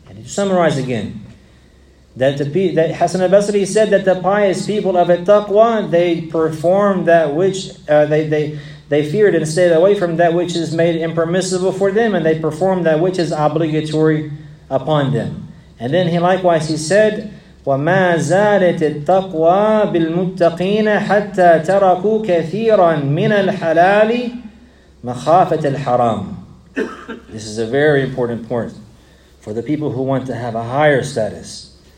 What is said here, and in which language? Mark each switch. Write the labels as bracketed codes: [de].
[en] Summarize again, that Hasan al-Basri said that the pious people of at-taqwa, they perform that which they feared and stayed away from that which is made impermissible for them, and they perform that which is obligatory upon them. And then he said, [ar] وَمَا زَالَتِ التَّقْوَى بِالْمُتَّقِينَ حَتَّى تَرَكُوا كَثِيرًا مِنَ الْحَلَالِ مَخَافَةِ الْحَرَامِ. [en] This is a very important point. For the people who want to have a higher status.